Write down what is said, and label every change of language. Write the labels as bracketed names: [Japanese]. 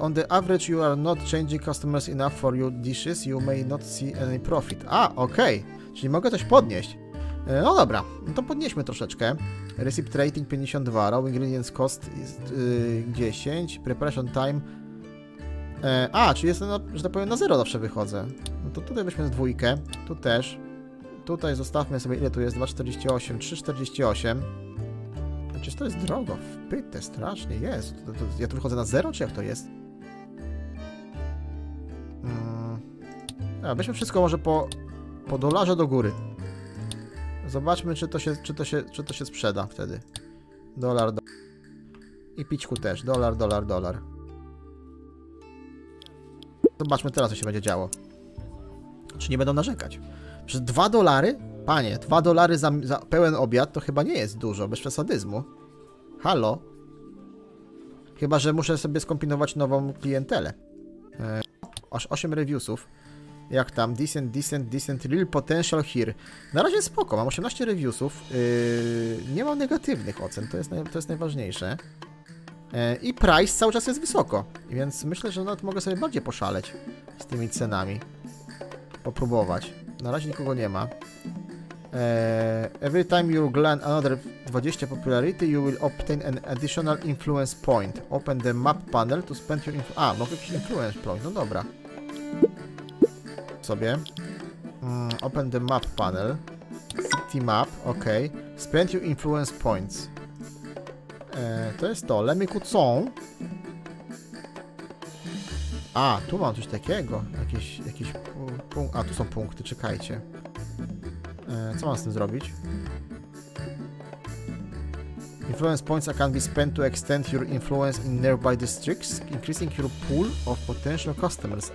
[English] On the average you are not changing customers enough for your dishes. You may not see any profit. [Polish] A, okej. [English] Okay. [Polish] Czyli mogę coś podnieść. No dobra, no to podnieśmy troszeczkę. [English] Recipe rating 52, raw ingredients cost is, 10, preparation time. [Polish] A, czyli jestem, że tak powiem, na zero zawsze wychodzę. No to tutaj weźmy dwójkę, tu też. Tutaj zostawmy sobie, ile tu jest, 2,48, 3,48. Przecież to jest drogo, w pyte, strasznie, jest. Ja tu wychodzę na zero, czy jak to jest? Weźmy wszystko może po dolarze do góry. Zobaczmy, czy to się sprzeda wtedy. Dolar, dolar. I pićku też. Dolar, dolar, dolar. Zobaczmy teraz, co się będzie działo. Czy nie będą narzekać? Przez 2 dolary? Panie, 2 dolary za pełen obiad to chyba nie jest dużo, bez przesadyzmu. Halo? Chyba, że muszę sobie skombinować nową klientelę. Aż 8 reviewsów. Jak tam? [English] Decent, decent, decent, real potential here. [Polish] Na razie spoko, mam 18 reviewsów. Nie mam negatywnych ocen, to jest najważniejsze. I price cały czas jest wysoko, więc myślę, że nawet mogę sobie bardziej poszaleć z tymi cenami. Popróbować. Na razie nikogo nie ma. [English] Every time you gain another 20 popularity, you will obtain an additional influence point. Open the map panel to spend your influence... [Polish] A, mogę jakiś influence point, no dobra. Sobie. [English] Open the map panel. City map, ok. Spend your influence points. [Polish] To jest to. Lemmy Coutons. A, tu mam coś takiego. Jakiś punkt. A, tu są punkty, czekajcie. Co mam z tym zrobić? [English] Influence points can be spent to extend your influence in nearby districts, increasing your pool of potential customers.